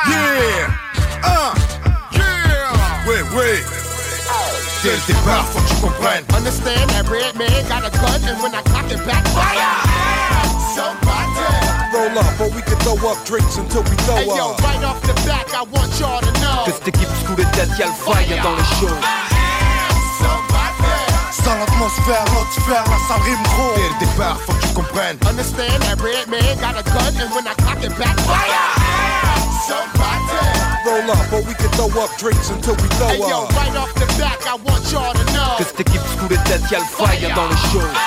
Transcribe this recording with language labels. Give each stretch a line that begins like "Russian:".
English: Yeah! Yeah! Wait, wait!
French: Dès le départ, faut que tu comprennes.
English: Understand that red man got a gun, and when I clock it back, fire! I am somebody! Roll up, or we can throw up drinks until we throw hey, up. Yo, right off the back, I want y'all to know.
French: Que cette équipe sous les têtes, y'a le fire dans le show.
English: I am somebody!
French: dans l'atmosphère, l'autre la salle rime gros. Dès le départ, faut que tu comprennes.
English: Understand that red man got a gun, and when I clap it back, fire! Somebody! Roll up, or we can throw up drinks until we throw hey, yo, up. Yo, right off the back, I want y'all to know.
French: Que cette équipe sous les têtes, y'a le fire dans le show.